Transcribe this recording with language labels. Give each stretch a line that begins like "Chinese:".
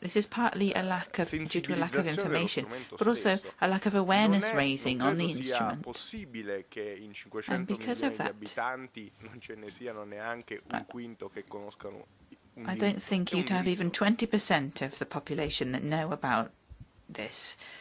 English: This is partly a lack of, due to a lack of information, but also a lack of awareness raising on the instrument.
Italian: Non è possibile che in 500 milioni di abitanti non ce ne siano neanche un quinto che conoscano un diritto.
English: I don't think you'd have even 20% of the population that know about this.